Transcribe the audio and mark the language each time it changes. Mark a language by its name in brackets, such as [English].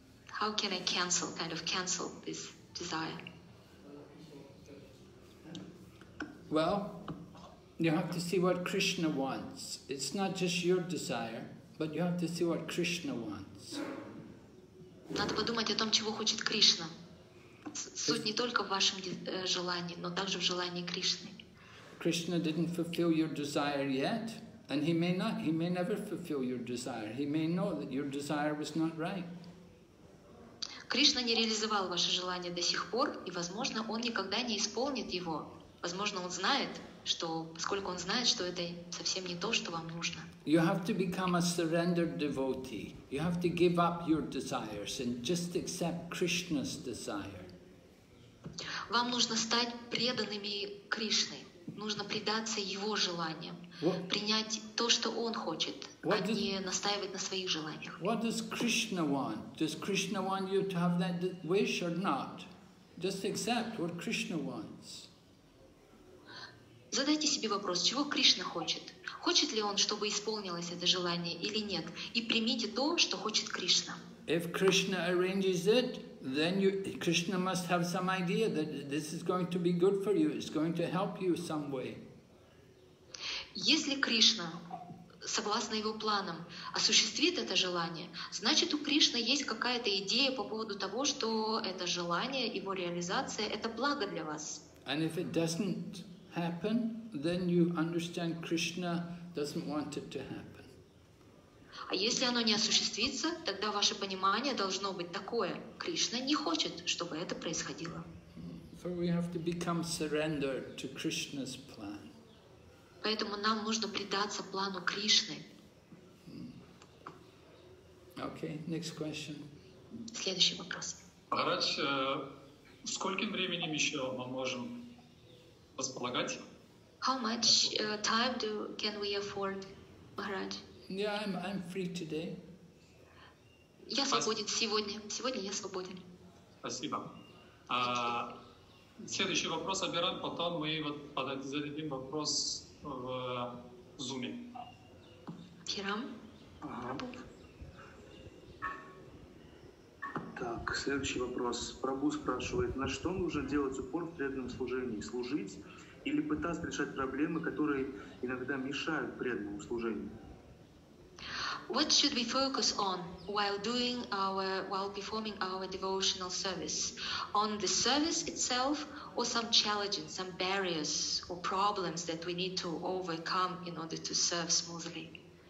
[English] How can I cancel this desire? Well, you have to see what Krishna wants. It's not just your desire, but you have to see what Krishna wants. [Russian] Надо подумать о том, чего хочет Кришна. Суть не только в вашем желании, но также в желании Кришны. [English] Krishna didn't fulfill your desire yet, and he may never fulfill your desire. He may know that your desire was not right. [Russian] Кришна не реализовал ваше желание до сих пор, и, возможно, он никогда не исполнит его. Возможно, он знает, что, поскольку он знает, что это совсем не то, что вам нужно. [English] You have to become a surrendered devotee. You have to give up your desires and just accept Krishna's desire. [Russian] Вам нужно стать преданными Кришне. Нужно предаться его желаниям, принять то, что он хочет, а не настаивать на своих желаниях. [English] What does Krishna want? Does Krishna want you to have that wish or not? Just accept what Krishna wants. [Russian] Задайте себе вопрос, чего Кришна хочет? Хочет ли он, чтобы исполнилось это желание или нет? И примите то, что хочет Кришна. [English] If Krishna arranges it, then Krishna must have some idea that this is going to be good for you, it's going to help you some way. [Russian] Если Кришна, согласно его планам, осуществит это желание, значит, у Кришны есть какая-то идея по поводу того, что это желание, его реализация, это благо для вас. [English] And if it doesn't happen, then you understand Krishna doesn't want it to happen. [Russian] А если оно не осуществится, тогда ваше понимание должно быть такое. Кришна не хочет, чтобы это происходило. [English] For we have to become surrendered to Krishna's plan. [Russian] Поэтому нам нужно предаться плану Кришны. [English] Okay, next question. [Russian] Следующий вопрос. Махарадж, скольким временем еще мы можем располагать? [English] How much time do can we afford, Махарадж? Yeah, I'm free today. [Russian] Я свободен сегодня. Сегодня я свободен. Спасибо. Следующий вопрос обираем, потом мы зададим вопрос в Zoom. Хирам. Так, следующий вопрос. Прабу спрашивает, на что нужно делать упор в преданном служении? Служить или пытаться решать проблемы, которые иногда мешают преданному служению? [English] What should we focus on while performing our devotional service? On the service itself or some challenges, some barriers or problems that we need to overcome in order to serve smoothly?